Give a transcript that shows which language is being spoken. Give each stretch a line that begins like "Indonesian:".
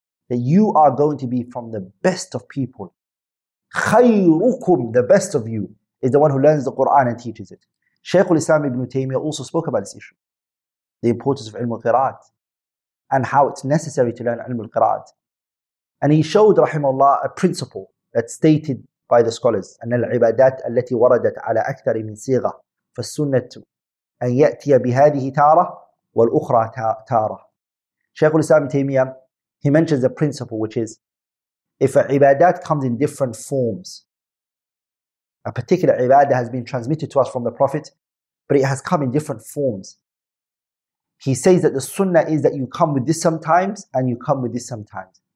English: That you are going to be from the best of people. خَيْرُكُمْ The best of you is the one who learns the Qur'an and teaches it. Shaykh al-Islam ibn Taymiyyah also spoke about this issue. The importance of ilm al-qira'at and how it's necessary to learn ilm al-qira'at. And he showed, rahimahullah, a principle that's stated by the scholars.
Arabic: أَنَّ الْعِبَادَاتِ أَلَّتِي وَرَدَتْ عَلَى أَكْثَرِ مِنْ سِيغَةِ فَالسُنَّةُ أن يأتي بهذه تارة والأخرى تارة.
English: Shaykh al-Islam Taymiyyah, he mentions a principle which is, if an ibadat comes in different forms, a particular ibadah has been transmitted to us from the Prophet, but it has come in different forms. He says that the sunnah is that you come with this sometimes and you come with this sometimes.